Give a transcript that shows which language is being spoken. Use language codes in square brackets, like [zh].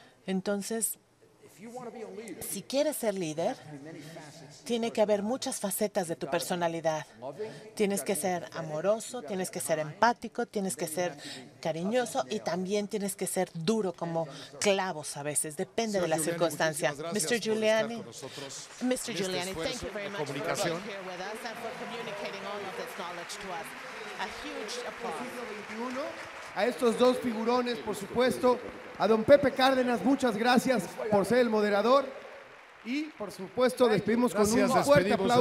[es] Entonces, si quieres ser líder, tiene que haber muchas facetas de tu personalidad. Tienes que ser amoroso, tienes que ser empático, tienes que ser cariñoso y también tienes que ser duro como clavos a veces. Depende de la circunstancia. [en] Mr. Giuliani, thank you very much for being here with us and for communicating all of this knowledge to us. A huge applause. [es] A estos dos figurones, por supuesto, a don Pepe Cárdenas, muchas gracias por ser el moderador. Y, por supuesto, despedimos con un fuerte aplauso